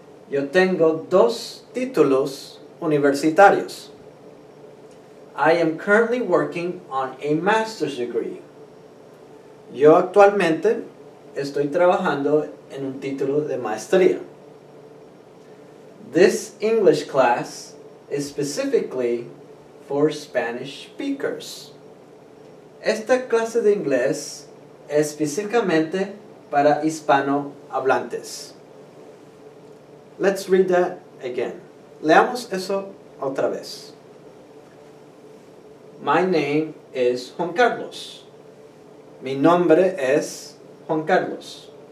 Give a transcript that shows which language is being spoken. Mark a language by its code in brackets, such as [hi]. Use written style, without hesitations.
[es] Yo tengo 2 títulos universitarios. [en] I am currently working on a master's degree. [es] Yo actualmente estoy trabajando en un título de maestría. [en] This English class is specifically for Spanish speakers. [es] Esta clase de inglés es específicamente para hispanohablantes. [en] Let's read that again. [es] Leamos eso otra vez. [en] My name is Juan Carlos. [es] Mi nombre es Juan Carlos.